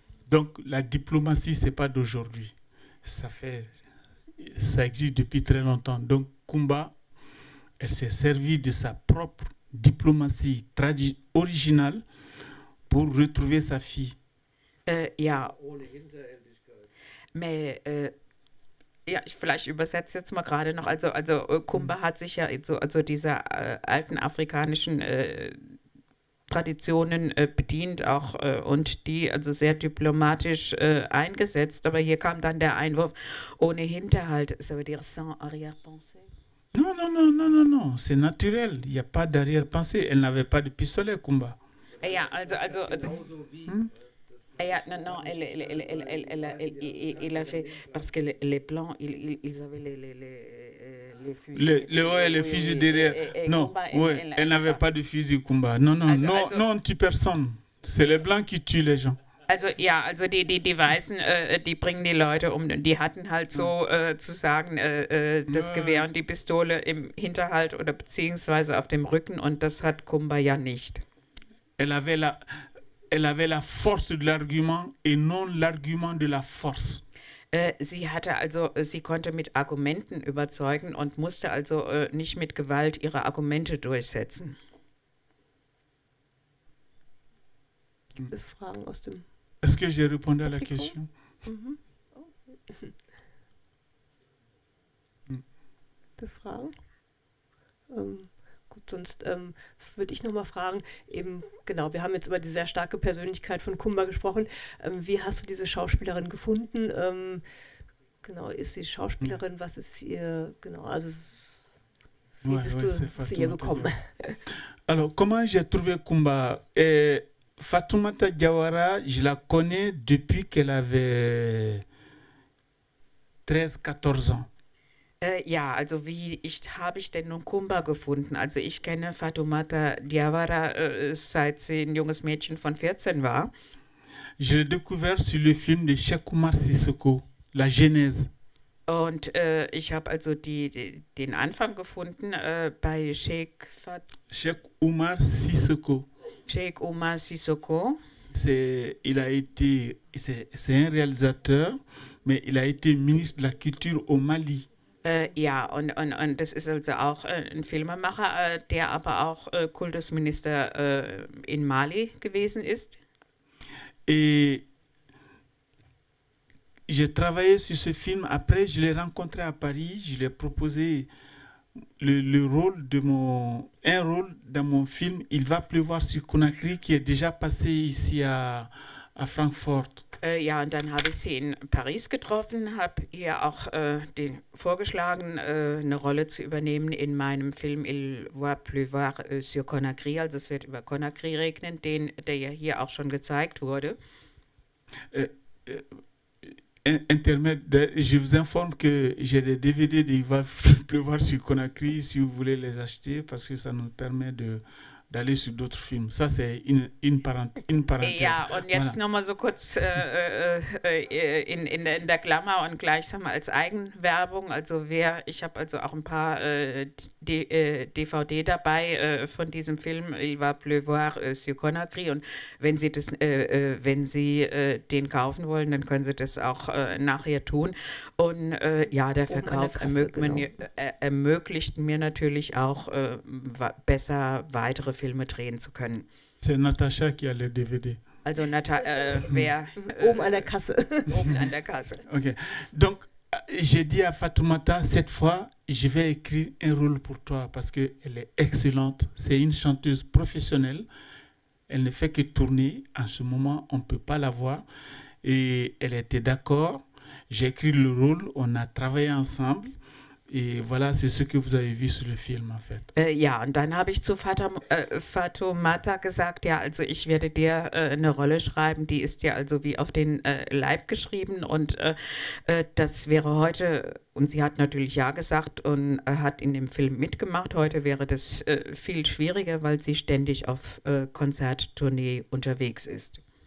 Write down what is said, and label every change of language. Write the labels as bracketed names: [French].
[French] Donc la diplomatie, ce n'est pas d'aujourd'hui. Ça existe depuis très longtemps. Donc Kumba, elle s'est servie de sa propre diplomatie originale pour retrouver sa fille. [German] Ja, Ohne Hinterhältigkeit. Ja, ich vielleicht übersetze jetzt mal gerade noch. Also Kumba hat sich ja so, also dieser alten afrikanischen Traditionen bedient auch und die also sehr diplomatisch eingesetzt. Aber hier kam dann der Einwurf ohne Hinterhalt, so [French] dire sans arrière-pensée. Non, non, non, non, non, non, c'est naturel. Il n'y a pas d'arrière-pensée. Elle n'avait pas de pistolet, Kumba. [German] Ja, Genauso wie [French] Ja, non, non, il a fait, parce que les Blancs, ils avaient les fusils. Le haut et le fusil derrière. Non, oui, elle n'avait Kumba, pas de fusil, Kumba. Non, non, non, il non, on tue personne. C'est les Blancs qui tuent les gens. [German] Also ja, also die Weißen, die bringen die Leute um, die hatten halt so sozusagen das Gewehr und die Pistole im Hinterhalt oder beziehungsweise auf dem Rücken und das hat Kumba ja nicht. [French] Elle avait la force de l'argument et non l'argument de la force. [German] Sie hatte also, sie konnte mit Argumenten überzeugen und musste also nicht mit Gewalt ihre Argumente durchsetzen. Gibt es Fragen aus dem [French] Est-ce que j'ai répondu à la [German] Publikum? [French] question? [German] Das Fragen? Gut, sonst würde ich noch mal fragen, eben genau, wir haben jetzt über die sehr starke Persönlichkeit von Kumba gesprochen. Wie hast du diese Schauspielerin gefunden? Genau, ist sie Schauspielerin? Was ist ihr, genau, also wie [French] ouais, [German] bist [French] ouais, [German] du Fatou zu ihr gekommen? [French] Alors, comment j'ai trouvé Kumba? Fatoumata Diawara, je la connais depuis qu'elle avait 13, 14 ans. [German] Ja, also wie ich, habe ich denn nun Kumba gefunden? Also ich kenne Fatoumata Diawara, seit sie ein junges Mädchen von 14 war. [French] Je l'ai découvert sur le film de Cheikh Oumar Sissoko, La Genèse. [German] Und ich habe also den Anfang gefunden bei Cheikh Oumar Sissoko. Cheikh Oumar Sissoko. [French] C'est un réalisateur, mais il a été ministre de la Culture au Mali. [German] Ja, und das ist also auch ein Filmemacher, der aber auch Kultusminister in Mali gewesen ist. [French] Et j'ai travaillé sur ce film. Après, je l'ai rencontré à Paris. Je lui ai proposé le rôle de un rôle dans mon film. Il va pleuvoir sur Conakry, qui est déjà passé ici à Francfort. [German] Ja, und dann habe ich sie in Paris getroffen, habe ihr auch vorgeschlagen, eine Rolle zu übernehmen in meinem Film Il va pleuvoir sur Conakry, also es wird über Conakry regnen, der ja hier auch schon gezeigt wurde. [French] Intermède, je vous informe que j'ai des DVD de Il va pleuvoir sur Conakry, si vous voulez les acheter, parce que ça nous permet de... d'aller sur d'autres films. Ça, c'est une parenthèse. [German] Ja, und jetzt voilà. Nochmal so kurz in der Klammer und gleichsam als Eigenwerbung. Also wer, ich habe also auch ein paar DVD dabei von diesem Film, Il va pleuvoir sur Conakry. Und wenn Sie das, wenn Sie den kaufen wollen, dann können Sie das auch nachher tun. Und ja, der Verkauf ermöglicht mir natürlich auch besser weitere Filme drehen zu können. [French] C'est Natacha qui a les DVD. [German] Also Natacha, wer? Oben an der Kasse. Oben an der Kasse. Okay. [French] Donc, j'ai dit à Fatoumata, cette fois, je vais écrire un rôle pour toi, parce qu'elle est excellente. C'est une chanteuse professionnelle. Elle ne fait que tourner. En ce moment, on ne peut pas la voir. Et elle était d'accord. J'ai écrit le rôle. On a travaillé ensemble. Et voilà, c'est ce que vous avez vu sur le film, en fait. [German] Ja, und dann habe ich zu Fatoumata gesagt, ja, also ich werde dir eine Rolle schreiben, die ist dir also wie auf den Leib geschrieben und das wäre heute, und sie hat natürlich ja gesagt und hat in dem Film mitgemacht, heute wäre das viel schwieriger, weil sie ständig auf Konzerttournee unterwegs ist.